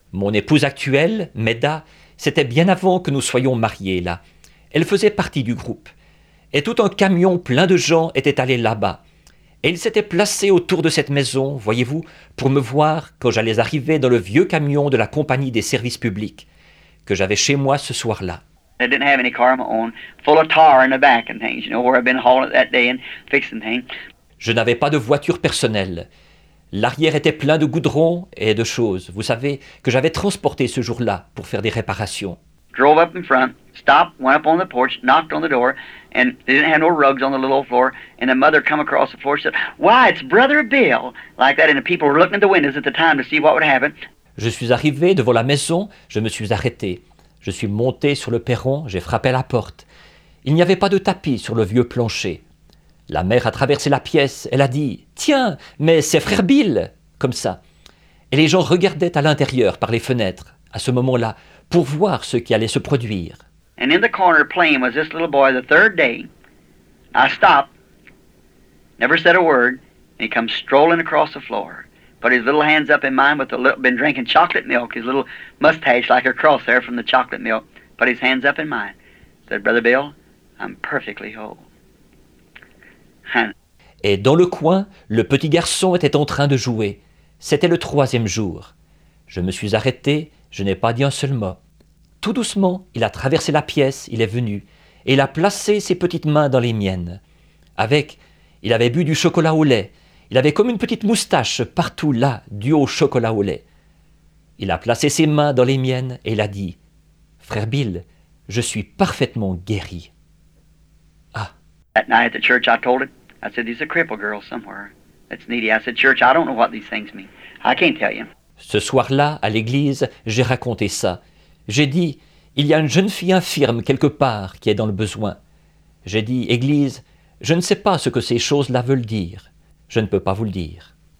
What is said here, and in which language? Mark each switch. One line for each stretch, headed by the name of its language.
French: Mon épouse actuelle, Meda, c'était bien avant que nous soyons mariés là. Elle faisait partie du groupe. Et tout un camion plein de gens était allé là-bas. Et ils s'étaient placés autour de cette maison, voyez-vous, pour me voir quand j'allais arriver dans le vieux camion de la compagnie des services publics que j'avais chez moi ce soir-là.
English: I didn't have any car of my own, full of tar in the back and things, you know, where I've been hauling that day and fixing things.
French: Je n'avais pas de voiture personnelle. L'arrière était plein de goudron et de choses, vous savez, que j'avais transporté ce jour-là pour faire des réparations.
English: Drove up in front, stopped, went up on the porch, knocked on the door, and they didn't have no rugs on the little floor, and the mother come across the floor and said, Why, it's Brother Bill! Like that, and the people were looking at the windows at the time to see what would happen.
French: Je suis arrivé devant la maison, je me suis arrêté. Je suis monté sur le perron, j'ai frappé à la porte. Il n'y avait pas de tapis sur le vieux plancher. La mère a traversé la pièce, elle a dit « Tiens, mais c'est frère Bill !» comme ça. Et les gens regardaient à l'intérieur par les fenêtres, à ce moment-là, pour voir ce qui allait se produire.
English: And in the corner playing was this little boy the third day. I stopped, never said a word, and he comes strolling across the floor. Put his little hands up in mine with a little, been drinking chocolate milk, his little mustache like a cross there from the chocolate milk. Put his hands up in mine. Said, Brother Bill, I'm perfectly whole.
French: Et dans le coin, le petit garçon était en train de jouer. C'était le troisième jour. Je me suis arrêté, je n'ai pas dit un seul mot. Tout doucement, il a traversé la pièce, il est venu, et il a placé ses petites mains dans les miennes. Il avait bu du chocolat au lait. Il avait comme une petite moustache partout là, due au chocolat au lait. Il a placé ses mains dans les miennes et il a dit « Frère Bill, je suis parfaitement guéri. » Ah.
English: That night at the church, I told him. I said, there's a cripple girl somewhere. That's needy. I said, church, I don't know what these things mean. I can't tell you.
French: Ce soir-là, à l'église, j'ai raconté ça. J'ai dit, il y a une jeune fille infirme quelque part qui est dans le besoin. J'ai dit, église, je ne sais pas ce que ces choses-là veulent dire. Je ne peux pas vous le dire.